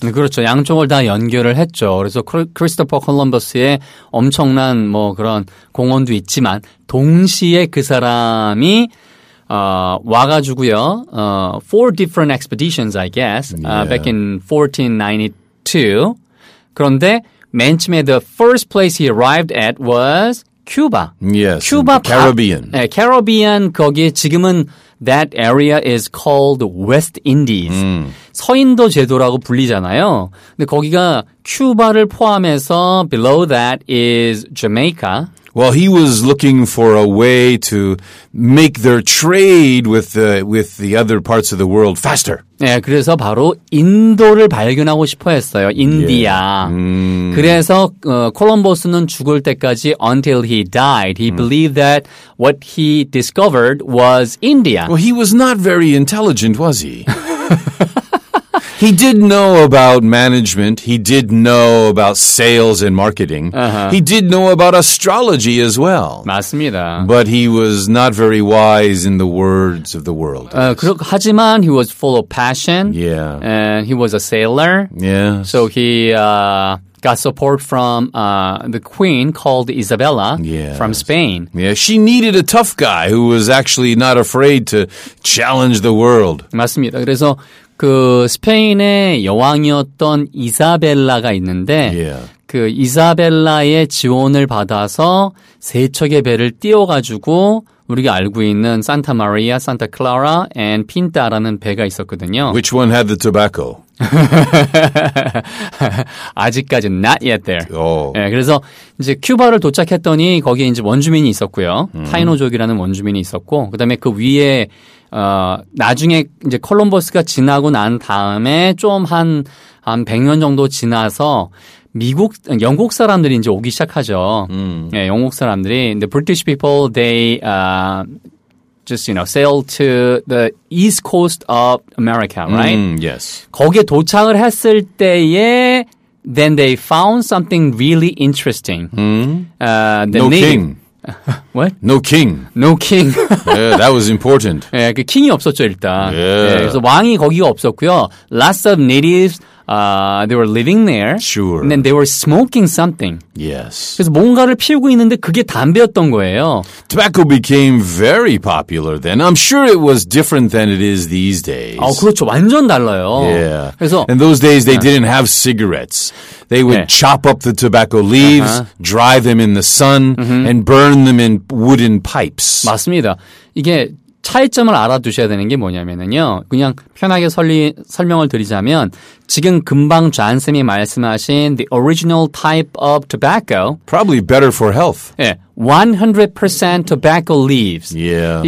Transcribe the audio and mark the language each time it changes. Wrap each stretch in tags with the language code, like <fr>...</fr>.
<ko>그렇죠. 양쪽을 다 연결을 했죠. 그래서 Christopher 콜럼버스의 엄청난 뭐 그런 공헌도 있지만 동시에 그 사람이 와가지고요</ko> <en>four different expeditions I guess back in 1492</en> <ko>그런데 맨 처음에</ko> <en>the first place he arrived at was Cuba. Yes, Cuba, Caribbean.</en> <ko>네, Caribbean 거기에 지금은</ko> <en>that area is called West Indies.</en> <ko>서인도 제도라고 불리잖아요. 근데 거기가 큐바를 포함해서</ko> <en>below that is Jamaica. Well, he was looking for a way to make their trade with the other parts of the world faster.</en> <ko>네, 그래서 바로 인도를 발견하고 싶어 했어요. 인디아.</ko> <en>Yeah.</en> <ko>그래서 콜럼버스는 죽을 때까지</ko> <en>until he died, he believed that what he discovered was India. Well, he was not very intelligent, was he? He did know about management. He did know about sales and marketing. He did know about astrology as well.</en> <ko>맞습니다.</ko> <en>But he was not very wise in the words of the world.</en> <ko>하지만</ko> <en>he was full of passion. Yeah. And he was a sailor. Yeah. So he got support from the queen called Isabella from Spain. Yeah, she needed a tough guy who was actually not afraid to challenge the world.</en> <ko>맞습니다. 그래서 그 스페인의 여왕이었던 이사벨라가 있는데 그 이사벨라의 지원을 받아서 세 척의 배를 띄워가지고 우리가 알고 있는 산타 마리아, 산타 클라라, and 핀타라는 배가 있었거든요.</ko> <en>Which one had the tobacco?</en> <ko>아직까지는</ko> <en>not yet there. Oh.</en> <ko>네, 그래서 이제 큐바를 도착했더니 거기에 이제 원주민이 있었고요. 타이노족이라는 원주민이 있었고 그다음에 그 위에 나중에 이제 콜럼버스가 지나고 난 다음에 좀 한 100년 정도 지나서 미국 영국 사람들이 이제 오기 시작하죠. 예, 영국 사람들이</ko> <en>the British people they just you know sailed to the east coast of America, right? Yes.</en> <ko>거기에 도착을 했을 때에</ko> <en>then they found something really interesting. The no king. What? No king. No king. Yeah, that was important.</en> <ko>예, 그 킹이 없었죠, 일단.</ko> <en>Yeah.</en> <ko>예, 그래서 왕이 거기가 없었고요.</ko> <en>Lots of natives, they were living there. Sure. And then they were smoking something. Yes.</en> <ko>그래서 뭔가를 피우고 있는데 그게 담배였던 거예요.</ko> <en>Tobacco became very popular then. I'm sure it was different than it is these days.</en> <ko>아, 그렇죠. 완전 달라요.</ko> <en>Yeah.</en> <ko>그래서</ko> <en>in those days they didn't have cigarettes. They would chop up the tobacco leaves, dry them in the sun, and burn them in wooden pipes.</en> <ko>맞습니다. 이게 차이점을 알아두셔야 되는 게 뭐냐면요. 그냥 편하게 설명을 드리자면 지금 금방 존쌤이 말씀하신</ko> <en>the original type of tobacco. Probably better for health. 예, 100% tobacco leaves. Yeah.</en>